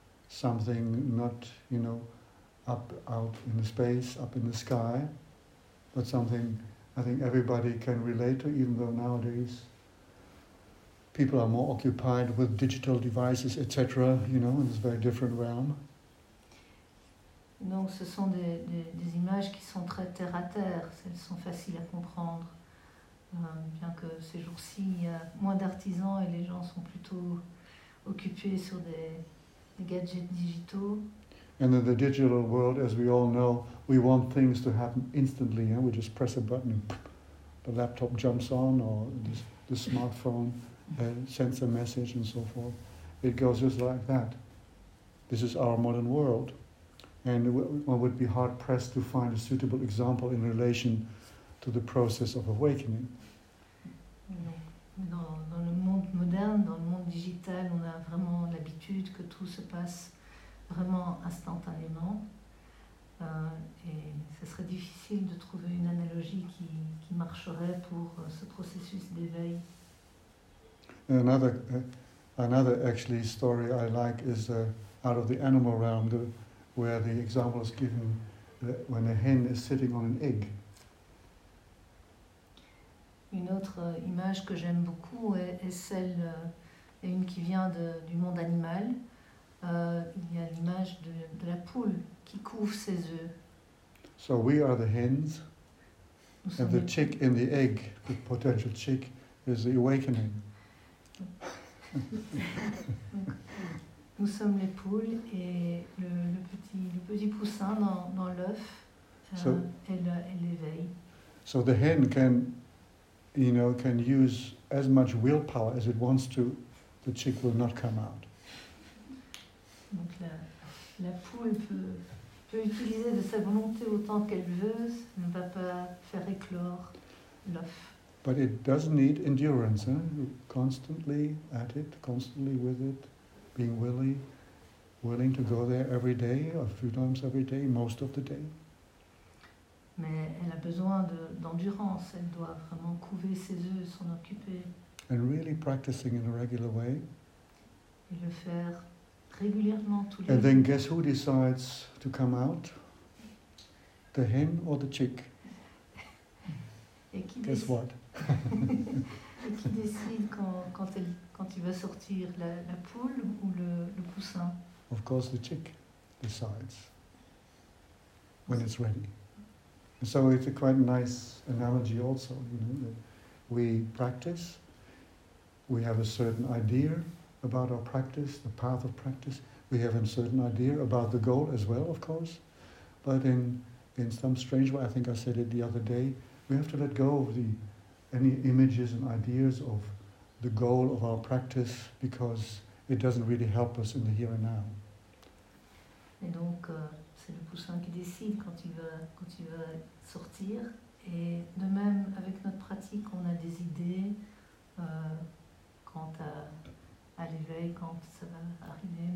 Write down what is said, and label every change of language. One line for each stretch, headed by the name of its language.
English: something not, you know, up out in the space, up in the sky, but something I think everybody can relate to, even though nowadays people are more occupied with digital devices, etc., you know, in this very different realm.
French: Donc ce sont des images qui sont très terre à terre, elles sont faciles à comprendre, bien que ces jours-ci il y a moins d'artisans et les gens sont plutôt occupés sur des gadgets digitaux.
English: And in the digital world, as we all know, we want things to happen instantly, hein? We just press a button and poof, the laptop jumps on, or the smartphone sends a message and so forth. It goes just like that. This is our modern world. And one would be hard-pressed to find a suitable example in relation to the process of awakening.
French: Dans le monde moderne, dans le monde digital, on a vraiment l'habitude que tout se passe vraiment instantanément. Et ce serait difficile de trouver une analogie qui marcherait pour ce processus d'éveil.
English: Another actually story I like is out of the animal realm, where the example is given when a hen is sitting on an egg.
French: Une autre image que j'aime beaucoup est celle, et une qui vient du monde animal. Il y a l'image de la poule qui couve ses œufs.
English: So we are the hens, and the chick in the egg, the potential chick, is the awakening.
French: Nous sommes les poules et le petit poussin dans l'œuf, elle l'éveille.
English: So the hen can, you know, can use as much willpower as it wants to, the chick will not come out.
French: Donc la poule peut utiliser de sa volonté autant qu'elle veut, ne va pas faire éclore l'œuf.
English: But it does need endurance, constantly at it, constantly with it, being willing to go there every day, a few times every day, most of the day.
French: Mais elle a besoin d'endurance, elle doit vraiment couver ses œufs, s'en occuper.
English: And really practicing in a regular way.
French: Et le faire régulièrement tous les jours.
English: And then guess who decides to come out? The hen or the chick?
French: Et qui
English: guess what?
French: Et qui décide quand il va sortir, la poule ou le poussin?
English: Of course the chick decides when it's ready. And so it's a quite nice analogy also, you know, that we practice, we have a certain idea about our practice, the path of practice, we have a certain idea about the goal as well, of course, but in some strange way, I think I said it the other day, we have to let go of any images and ideas of the goal of our practice because it doesn't really help us in the here and now.
French: Et donc, c'est le poussin qui décide quand il va sortir. Et de même, avec notre pratique, on a des idées quant à l'éveil, quand ça va arriver.